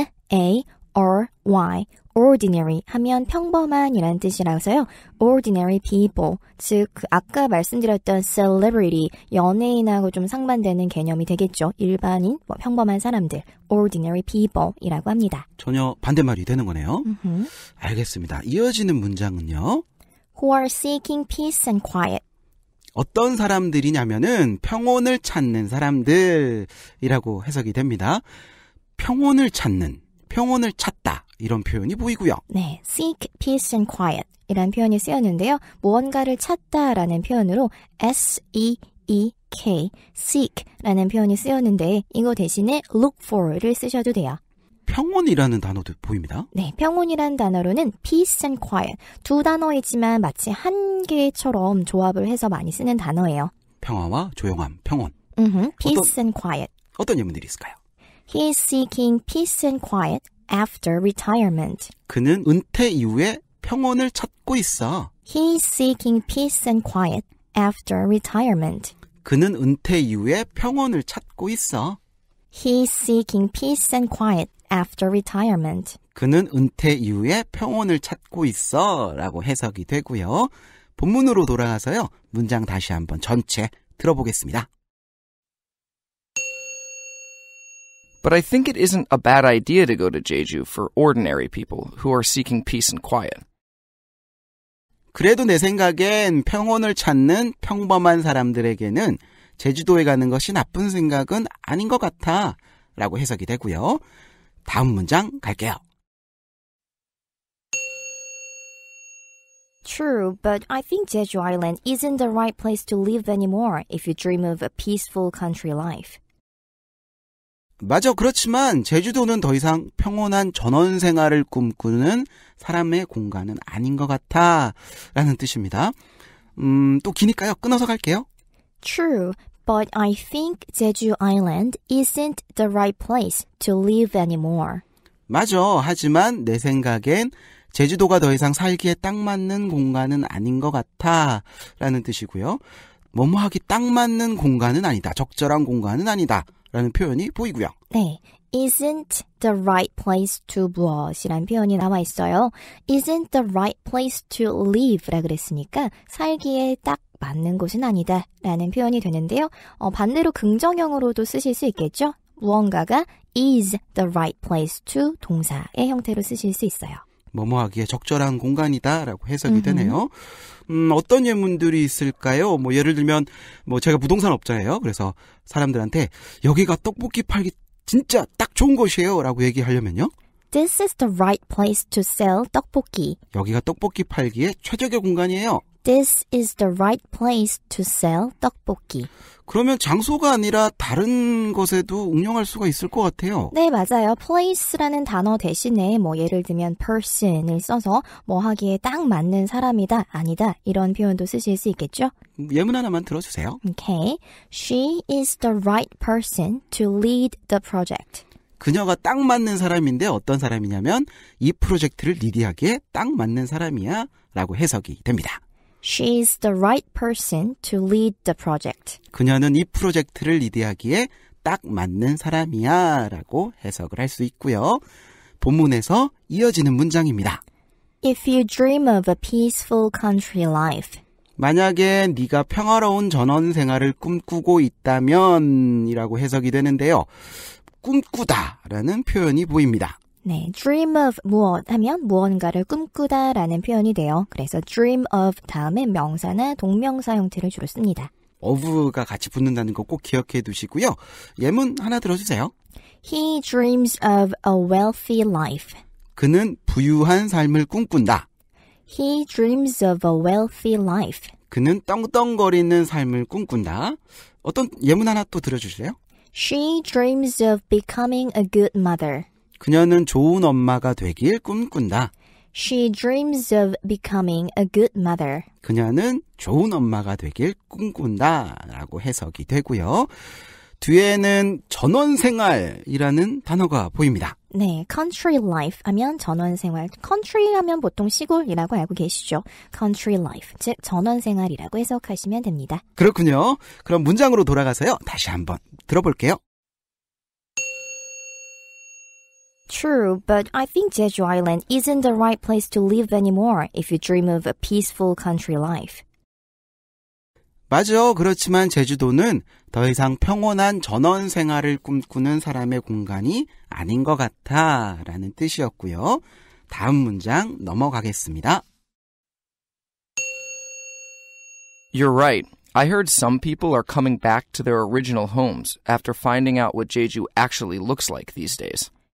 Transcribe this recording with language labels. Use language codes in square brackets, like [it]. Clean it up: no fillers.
[ko] O-R-D-I-N-A-R-Y, ordinary 하면 평범한이란 뜻이라서요. [en] ordinary people, [ko] 즉 아까 말씀드렸던 celebrity, 연예인하고 좀 상반되는 개념이 되겠죠. 일반인, 뭐 평범한 사람들, [en] ordinary people [ko] 이라고 합니다. 전혀 반대말이 되는 거네요. Mm-hmm. 알겠습니다. 이어지는 문장은요. [en] Who are seeking peace and quiet? [ko] 어떤 사람들이냐면은 평온을 찾는 사람들이라고 해석이 됩니다. 평온을 찾는, 평온을 찾다 이런 표현이 보이고요. 네, [en] seek peace and quiet [ko] 이란 표현이 쓰였는데요. 무언가를 찾다라는 표현으로 S-E-E-K, K, seek라는 표현이 쓰였는데 이거 대신에 [en] look for [ko] 를 쓰셔도 돼요. 평온이라는 단어도 보입니다. 네, 평온이라는 단어로는 [en] peace and quiet [ko] 두 단어이지만 마치 한 개처럼 조합을 해서 많이 쓰는 단어예요. 평화와 조용함, 평온. [en] Peace and quiet. [ko] 어떤 예문들이 있을까요? [en] He is seeking peace and quiet after retirement. [ko] 그는 은퇴 이후에 평온을 찾고 있어. [en] He is seeking peace and quiet after retirement. [ko] 그는 은퇴 이후에 평온을 찾고 있어. [en] He is seeking peace and quiet after retirement. [ko] 그는 은퇴 이후에 평온을 찾고 있어 라고 해석이 되고요. 본문으로 돌아가서요. 문장 다시 한번 전체 들어보겠습니다. [en] But I think it isn't a bad idea to go to Jeju for ordinary people who are seeking peace and quiet. [ko] 그래도 내 생각엔 평온을 찾는 평범한 사람들에게는 제주도에 가는 것이 나쁜 생각은 아닌 것 같아 라고 해석이 되고요. 다음 문장 갈게요. [en] True, but I think Jeju Island isn't the right place to live anymore if you dream of a peaceful country life. [ko] 맞아, 그렇지만 제주도는 더 이상 평온한 전원 생활을 꿈꾸는 사람의 공간은 아닌 것 같아 라는 뜻입니다. 또 기니까요. 끊어서 갈게요. [en] True, but I think Jeju Island isn't the right place to live anymore. [ko] 맞아, 하지만 내 생각엔 제주도가 더 이상 살기에 딱 맞는 공간은 아닌 것 같아 라는 뜻이고요. 뭐뭐하기 딱 맞는 공간은 아니다, 적절한 공간은 아니다 라는 표현이 보이고요. 네, [en] isn't the right place to [ko] 무엇이란 표현이 나와 있어요. [en] isn't the right place to live [ko] 라 그랬으니까 살기에 딱 맞는 곳은 아니다 라는 표현이 되는데요. 반대로 긍정형으로도 쓰실 수 있겠죠. 무언가가 [en] is the right place to [ko] 동사의 형태로 쓰실 수 있어요. 뭐뭐하기에 적절한 공간이다 라고 해석이 되네요. 어떤 예문들이 있을까요? 뭐 예를 들면 뭐 제가 부동산 업자예요. 그래서 사람들한테 여기가 떡볶이 팔기 진짜 딱 좋은 곳이에요 라고 얘기하려면요. [en] This is the right place to sell 떡볶이. [ko] 여기가 떡볶이 팔기에 최적의 공간이에요. [en] This is the right place to sell 떡볶이. [ko] 그러면 장소가 아니라 다른 것에도 응용할 수가 있을 것 같아요. 네, 맞아요. place라는 단어 대신에 뭐 예를 들면 person을 써서 뭐 하기에 딱 맞는 사람이다, 아니다 이런 표현도 쓰실 수 있겠죠? 예문 하나만 들어주세요. [en] Okay. She is the right person to lead the project. [ko] 그녀가 딱 맞는 사람인데 어떤 사람이냐면 이 프로젝트를 리드하기에 딱 맞는 사람이야 라고 해석이 됩니다. [en] She's the right person to lead the project. [ko] 그녀는 이 프로젝트를 리드하기에 딱 맞는 사람이야 라고 해석을 할 수 있고요. 본문에서 이어지는 문장입니다. [en] If you dream of a peaceful country life. [ko] 만약에 네가 평화로운 전원 생활을 꿈꾸고 있다면 이라고 해석이 되는데요. 꿈꾸다 라는 표현이 보입니다. 네, [en] dream of [ko] 무엇 하면 무언가를 꿈꾸다 라는 표현이 돼요. 그래서 [en] dream of [ko] 다음에 명사나 동명사 형태를 주로 씁니다. of가 같이 붙는다는 거 꼭 기억해 두시고요. 예문 하나 들어주세요. [en] He dreams of a wealthy life. [ko] 그는 부유한 삶을 꿈꾼다. [en] He dreams of a wealthy life. [ko] 그는 떵떵거리는 삶을 꿈꾼다. 어떤 예문 하나 또 들어주실래요? [en] She dreams of becoming a good mother. [ko] 그녀는 좋은 엄마가 되길 꿈꾼다. [en] She dreams of becoming a good mother. [ko] 그녀는 좋은 엄마가 되길 꿈꾼다 라고 해석이 되고요. 뒤에는 전원생활이라는 단어가 보입니다. 네, [en] country life [ko] 하면 전원생활. country 하면 보통 시골이라고 알고 계시죠. [en] country life, [ko] 즉 전원생활이라고 해석하시면 됩니다. 그렇군요. 그럼 문장으로 돌아가서요. 다시 한번 들어볼게요. [en] True, but I think Jeju Island isn't the right place to live anymore if you dream of a peaceful country life. [ko] 맞아, 그렇지만 제주도는 더 이상 평온한 전원 생활을 꿈꾸는 사람의 공간이 아닌 것 같아 라는 뜻이었고요. 다음 문장 넘어가겠습니다. [en] You're right. I heard some people are coming back to their original homes after finding out what Jeju actually looks like these days.